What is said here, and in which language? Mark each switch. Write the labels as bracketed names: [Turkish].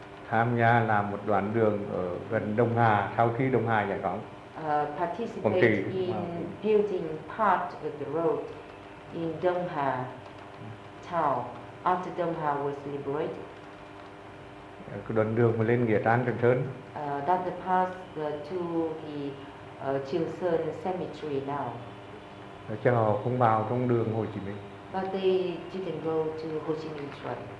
[Vietnamese] Tham gia làm một đoạn đường ở gần Đông Hà sau khi Đông Hà giải phóng. [English] Participate in building part of the road in Đông Hà town after Đông Hà was liberated. [Vietnamese] Cái đoạn đường mà lên nghĩa trang Trường Sơn. [English] That's the path to the Trường Sơn Cemetery now. [Vietnamese] Chứ họ không vào trong đường Hồ Chí Minh. [English] But they didn't go to Ho Chi Minh Trail.